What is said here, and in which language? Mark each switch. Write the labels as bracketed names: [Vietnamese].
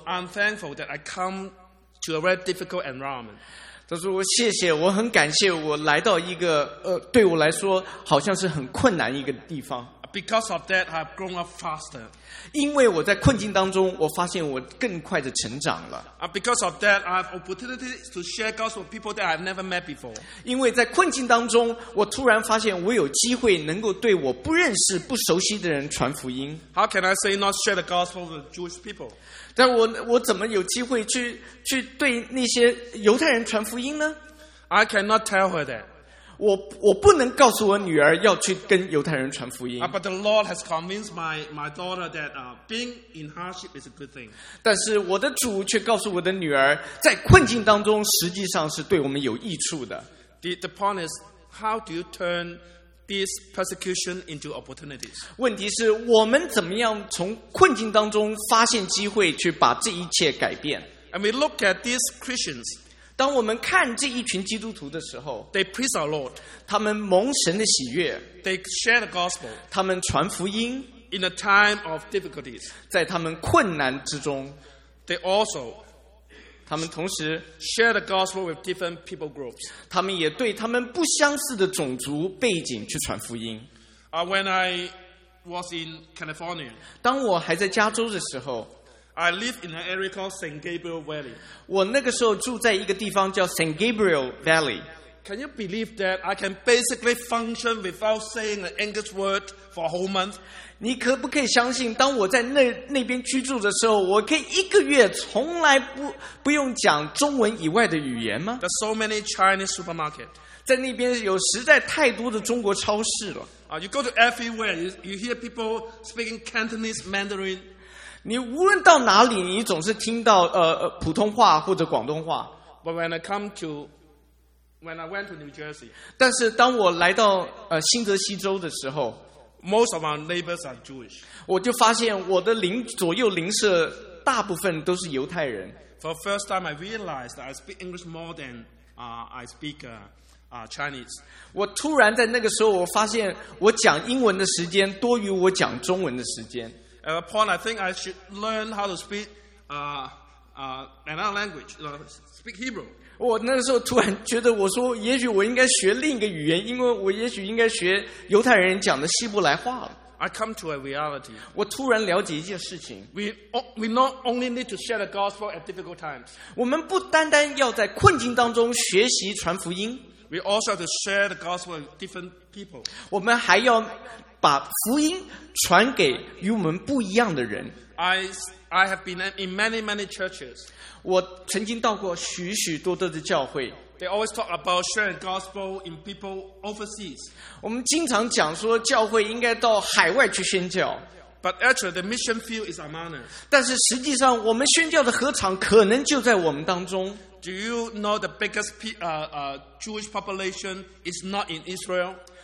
[English] I'm thankful that I come to a very difficult environment. [Chinese] 他说谢谢，我很感谢我来到一个对我来说好像是很困难一个地方。 [English] Because of that, I've grown up faster. [Chinese] 因为我在困境当中，我发现我更快的成长了。 [English] Because of that, I have opportunities to share gospel with people that I've never met before. [Chinese] 因为在困境当中，我突然发现我有机会能够对我不认识不熟悉的人传福音。 [English] How can I say not share the gospel with Jewish people? [Chinese] 但我怎么有机会去对那些犹太人传福音呢？ [English] I cannot tell her that. [Chinese] 我不能告诉我女儿要去跟犹太人传福音。 [English] But the Lord has convinced my daughter that being in hardship is a good thing. [Chinese] 但是我的主却告诉我的女儿，在困境当中实际上是对我们有益处的。 [English] The point is, how do you turn this persecution into opportunities? [Chinese] 问题是我们怎么样从困境当中发现机会去把这一切改变？ [English] And we look at these Christians. [Chinese] 当我们看这一群基督徒的时候 [English] ，They praise our Lord. [Chinese] 他们蒙神的喜悦 [English] ，They share the gospel. [Chinese] 他们传福音 [English] ，In a time of difficulties. [Chinese] 在他们困难之中 [English] ，They also. [Chinese] 他们同时 [English] share the gospel with different people groups. [Chinese] 他们也对他们不相似的种族背景去传福音。 [English] When I was in California. [Chinese] 当我还在加州的时候。 [English] I live in an area called San Gabriel Valley. [Chinese] 我那个时候住在一个地方叫 San Gabriel Valley. [English] Can you believe that I can basically function without saying an English word for a whole month? [Chinese] 你可不可以相信，当我在 那边居住的时候，我可以一个月从来 不用讲中文以外的语言吗？ [English] There's so many Chinese supermarkets. [Chinese] 在那边有实在太多的中国超市了。 [English] You go to everywhere, you hear people speaking Cantonese, Mandarin. [Chinese] 你无论到哪里，你总是听到普通话或者广东话。 [English] But when I come to... When I went to New Jersey, [Chinese] 但是当我来到新泽西州的时候 [English] ，most of our neighbors are Jewish. [Chinese] 我就发现我的邻左右邻舍大部分都是犹太人。 [English] For the first time, I realized that I speak English more than I speak Chinese. [Chinese] 我突然在那个时候，我发现我讲英文的时间多于我讲中文的时间。 [English] At a point, I think I should learn how to speak another language, speak Hebrew. [Chinese] 我那个时候突然觉得，我说也许我应该学另一个语言，因为我也许应该学犹太人讲的希伯来话了。 [English] I come to a reality. [Chinese] 我突然了解一件事情。 [English] We not only need to share the gospel at difficult times. [Chinese] 我们不单单要在困境当中学习传福音。 [English] We also have to share the gospel with different people. [Chinese] 我们还要把福音传给与我们不一样的人。 [English] I have been in many, many churches. [Chinese] 我曾经到过许许多多的教会。 [English] They always talk about sharing gospel in people overseas. [Chinese] 我们经常讲说教会应该到海外去宣教。 [English] But actually, the mission field is among us. [Chinese] 但是实际上我们宣教的合场可能就在我们当中。 [English] Do you know the biggest Jewish population is not in Israel?